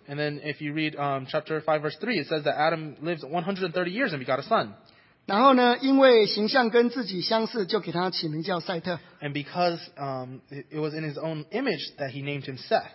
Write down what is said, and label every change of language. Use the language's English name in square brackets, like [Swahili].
[English] And then if you read chapter 5 verse 3, it says that Adam lived 130 years and he got a son. [Chinese] 然后呢，因为形象跟自己相似，就给他起名叫赛特。 [English] And because it was in his own image that he named him Seth.